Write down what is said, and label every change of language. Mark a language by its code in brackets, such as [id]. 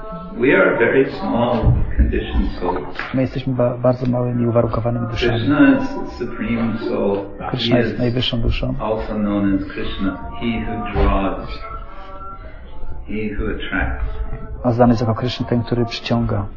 [en] We are very small conditioned souls. [pl] My jesteśmy bardzo małymi, uwarunkowanymi duszami. [en] Krishna is supreme soul. [pl] Krishna jest najwyższą duszą. [en] Also known as Krishna, he who draws, he who attracts. [pl] A znany jest jako Krishna, ten, który przyciąga.